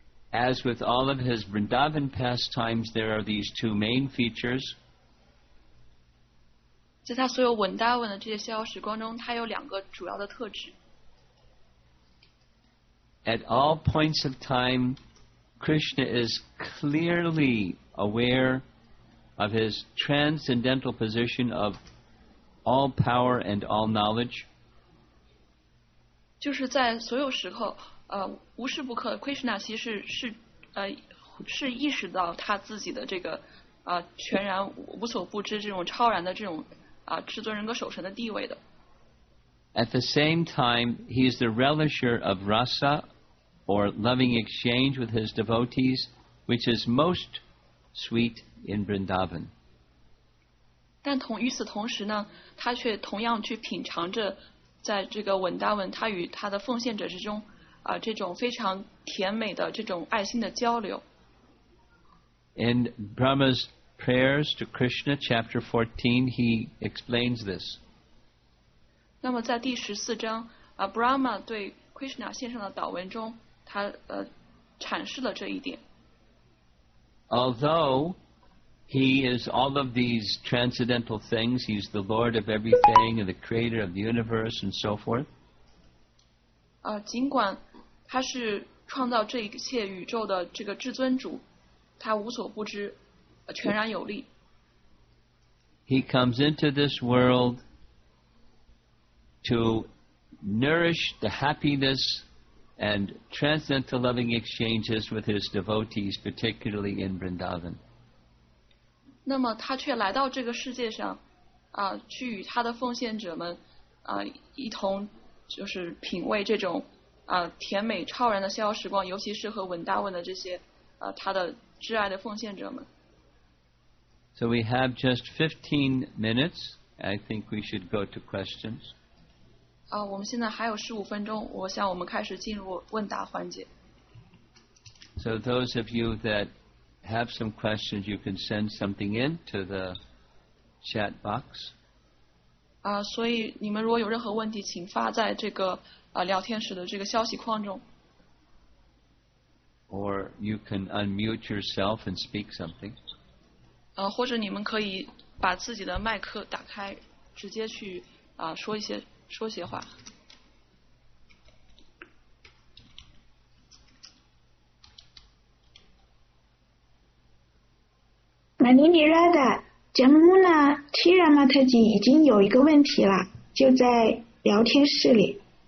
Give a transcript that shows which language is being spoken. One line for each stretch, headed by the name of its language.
English: As with all of his Vrindavan pastimes, there are these two main features.
Chinese: 在他所有文达文的这些逍遥时光中他有两个主要的特质。
English: At all points of time, Krishna is clearly aware of his transcendental position of all power and all knowledge.
Chinese: 就是在所有时候无时不刻 Krishna 其实是意识到他自己的这个全然无所不知这种超然的这种至尊人格守神的地位的。
English: At the same time, he is the relisher of rasa or loving exchange with his devotees, which is most sweet in Vrindavan.
Chinese: 但与此同时呢，他却同样去品尝着在这个文达文他与他的奉献者之中这种非常甜美的这种爱心的交流。
English: In Brahma's prayers to Krishna, chapter 14, he explains this.
Chinese: 那么在第十四章Brahma 对 Krishna 献上的祷文中他阐释了这一点。
English: Although he is all of these transcendental things, he's the Lord of everything and the creator of the universe and so forth.
Chinese: 尽管他是创造这一切宇宙的这个至尊主他无所不知全然有力。
English: He comes into this world to nourish the happiness and transcendental loving exchanges with his devotees, particularly in Vrindavan.
Chinese: 那么他却来到这个世界上去与他的奉献者们一同就是品味这种甜美超然的逍遥时光尤其是和文达文的这些他的挚爱的奉献者们。
English: So we have just 15 minutes. I think we should go to questions.
Chinese: 我们现在还有15分钟我想我们开始进入问答环节。
English: So those of you that have some questions, you can send something in to the chat box.
Chinese: 所以你们如果有任何问题请发在这个聊天室的这个消息框中。
English: Or you can unmute yourself and speak something.
Chinese: 或者你们可以把自己的麦克打开，直接去说些话。 Manini Radha, Jamuna Tiramataji 已经有一个问题了，就在聊天室里。